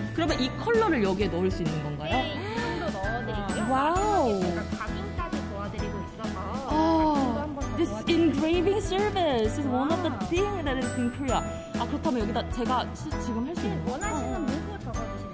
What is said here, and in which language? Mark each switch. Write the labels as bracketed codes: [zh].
[ko] 그러면 이 컬러를 여기에 넣을 수 있는 건가요? 네, 이 제품도 넣어드리고요. 와우. 각인까지 도와드리고 있어서. [en] This engraving service is one of the things that is in Korea. [ko] 아, 그렇다면 여기다 제가 지금 할 수 있는 거예요? 원하시는 문구 적어주시면.